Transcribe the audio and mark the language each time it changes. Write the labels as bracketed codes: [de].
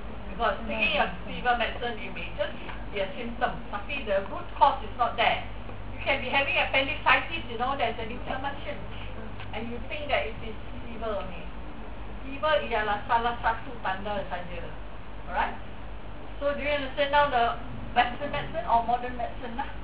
[en] Because taking a fever medicine, it may just be a symptom. But the root cause is not there. You can be having appendicitis, you know, there's an inflammation. And you think that it is fever only. [ms] Fever ialah salah satu tanda saja. [en] Alright? So, do you understand now the Western medicine or modern medicine lah?